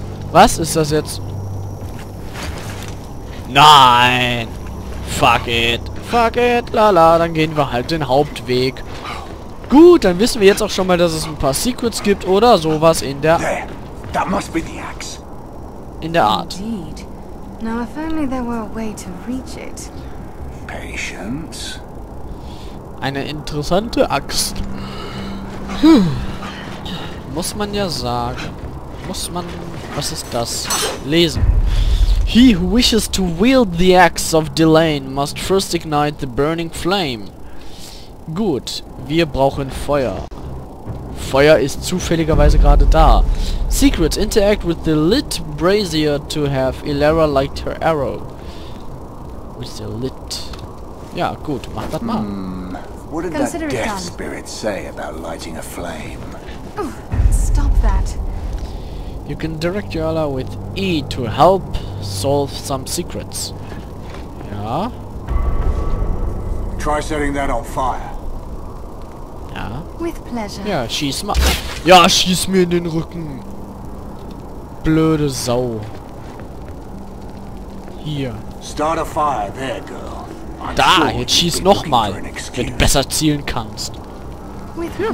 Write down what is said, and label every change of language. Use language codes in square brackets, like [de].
[de] Was ist das jetzt? Nein! [en] Fuck it! Fuck it! [de] Lala, dann gehen wir halt den Hauptweg. Gut, dann wissen wir jetzt auch schon mal, dass es ein paar Secrets gibt oder sowas in der... [en] That must be the axe. [de] In der Art. [en] Indeed. Now, if only there were a way to reach it. Patience. [de] Eine interessante Axt. Muss man ja sagen. Muss man... Was ist das? Lesen. [en] He who wishes to wield the axe of Delane must first ignite the burning flame. [de] Gut, wir brauchen Feuer. Feuer ist zufälligerweise gerade da. [en] Secrets, interact with the lit brazier to have Ilara light her arrow. With the lit. [de] Ja, gut, mach das mal. [en] What did that death spirit say about lighting a flame? Stop that. You can direct your ally with E to help solve some secrets. [de] Ja. [en] Try setting that on fire. [de] Ja. [en] With pleasure. [de] Ja, schieß mal. Ja, schieß mir in den Rücken. Blöde Sau. Hier. [en] Start a fire there, girl. [de] Da, jetzt schieß nochmal, wenn du besser zielen kannst. [en] With pleasure.